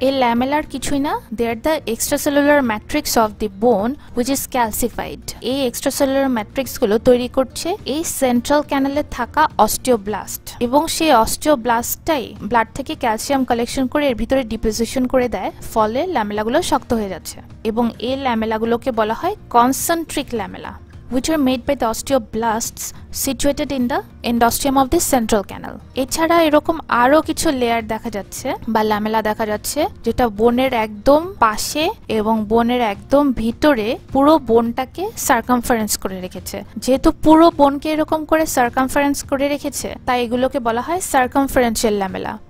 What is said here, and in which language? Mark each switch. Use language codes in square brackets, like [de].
[bn] এই ল্যামেলার কিছুই না, [en] They are the extra cellular matrix of the bone which is calcified. [bn] এই এক্সট্রা সেলুলার ম্যাট্রিক্স গুলো তৈরি করছে এই সেন্ট্রাল ক্যানেলে থাকা অস্টিওব্লাস্ট, এবং সেই অস্টিওব্লাস্টটাই ব্লাড থেকে ক্যালসিয়াম কালেকশন করে এর ভিতরে ডিপোজিশন করে দেয়, ফলে ল্যামেলা গুলো শক্ত হয়ে যাচ্ছে। এবং এই ল্যামেলা গুলোকে বলা হয় concentric lamella, [en] which are made by the osteoblasts situated in the endosteum of the central canal. [bn] এছাড়া এরকম আরো কিছু লেয়ার দেখা যাচ্ছে বা ল্যামেলা দেখা যাচ্ছে, যেটা বোনের একদম পাশে এবং বোনের একদম ভিতরে পুরো বোনটাকে সার্কামফারেন্স করে রেখেছে। যেহেতু পুরো বোনকে এরকম করে সার্কামফারেন্স করে রেখেছে, তাই এগুলোকে বলা হয় সার্কামফারেন্সিয়াল ল্যামেলা।